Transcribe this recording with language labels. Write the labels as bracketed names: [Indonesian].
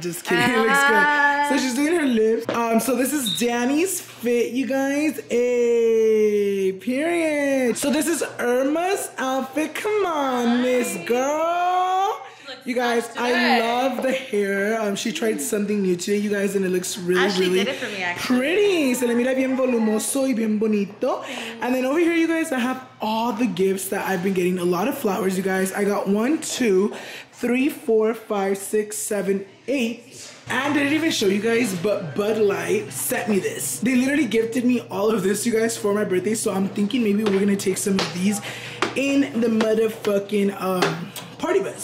[English] Just kidding. It looks good. So she's doing her lips. So this is Danny's fit, you guys. Period. So this is Irma's outfit. Come on, Miss Girl. You guys, I love the hair. She tried something new today, you guys, and it looks really, really pretty. [Spanish] Se le mira bien volumoso y bien bonito. [English] And then over here, you guys, I have all the gifts that I've been getting. A lot of flowers, you guys. I got 1, 2, 3, 4, 5, 6, 7, 8. And I didn't even show you guys, but Bud Light sent me this. They literally gifted me all of this, you guys, for my birthday. So I'm thinking maybe we're gonna take some of these in the motherfucking party bus.